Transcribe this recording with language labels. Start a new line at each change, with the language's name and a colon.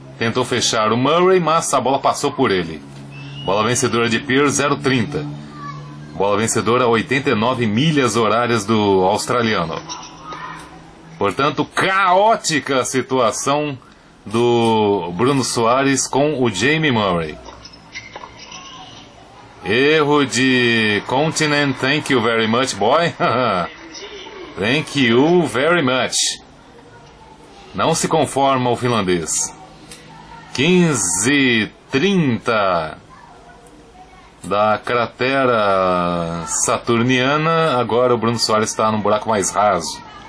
Portuguese: Tentou fechar o Murray, mas a bola passou por ele. Bola vencedora de Pierce, 0-30. Bola vencedora a 89 milhas horárias do australiano. Portanto, caótica a situação do Bruno Soares com o Jamie Murray. Erro de Continent,
English: thank you very much, boy. Thank you very much.
Portuguese: Não se conforma o finlandês. 15-30. Da cratera saturniana, agora o Bruno Soares está num buraco mais raso.